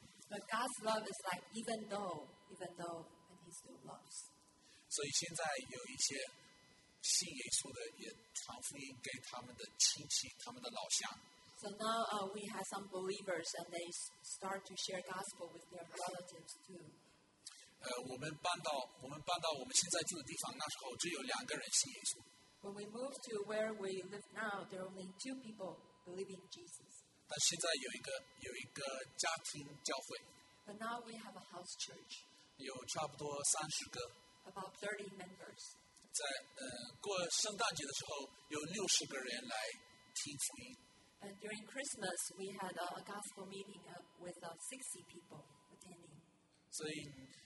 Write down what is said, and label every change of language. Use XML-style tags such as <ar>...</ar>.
<en>But God's love is like even though, and He still loves.</en> <zh>所以现在有一些 信耶稣的也传福音给他们的亲戚，他们的老乡。</zh> <en>So now we have some believers, and they start to share gospel with their relatives too.</en> <zh>我们搬到我们现在住的地方，那时候只有两个人信耶稣。</zh> <en>When we moved to where we live now, there are only two people believing Jesus.</en> <zh>但现在有一个家庭教会。</zh> <en>But now we have a house church.</en> <zh>有差不多30个。</zh> <en>About 30 members.</en> <zh>在过圣诞节的时候，有60个人来听福音。</zh> <en>And during Christmas, we had a gospel meeting with 60 people attending.</en>